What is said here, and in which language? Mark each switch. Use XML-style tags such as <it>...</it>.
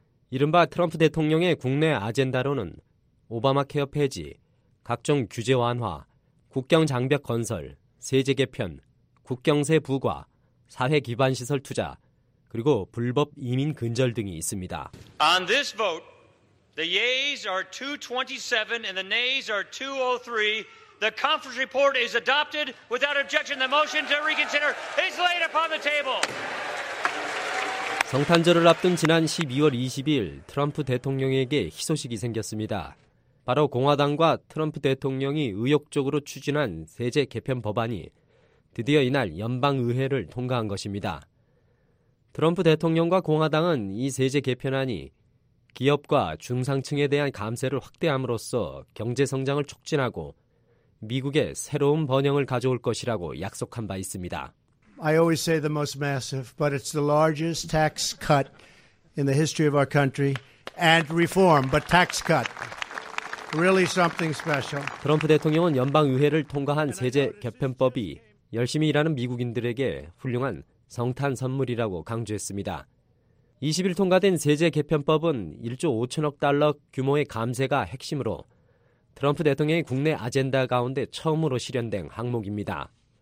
<ko>이른바 트럼프 대통령의 국내 아젠다로는 오바마 케어 폐지, 각종 규제 완화, 국경 장벽 건설, 세제 개편, 국경세 부과, 사회 기반 시설 투자, 그리고 불법 이민 근절 등이 있습니다.</ko> <en>On this vote, the yeas are 227 and the nays are 203. The conference report is adopted without objection. The motion to reconsider is laid upon the table.</en> <ko>성탄절을 앞둔 지난 12월 20일 트럼프 대통령에게 희소식이 생겼습니다. 바로 공화당과 트럼프 대통령이 의욕적으로 추진한 세제 개편 법안이 드디어 이날 연방의회를 통과한 것입니다. 트럼프 대통령과 공화당은 이 세제 개편안이 기업과 중상층에 대한 감세를 확대함으로써 경제성장을 촉진하고 미국의 새로운 번영을 가져올 것이라고 약속한 바 있습니다.</ko> <en>I always say the most massive, but it's the largest tax cut in the history of our country and reform, but tax cut. Really something special.</en> <ko>트럼프 대통령은 연방의회를 통과한 세제 개편법이 열심히 일하는 미국인들에게 훌륭한 성탄 선물이라고 강조했습니다. 20일 통과된 세제 개편법은 1조 5천억 달러 규모의 감세가 핵심으로 트럼프 대통령의 국내 아젠다 가운데 처음으로 실현된 항목입니다.</ko>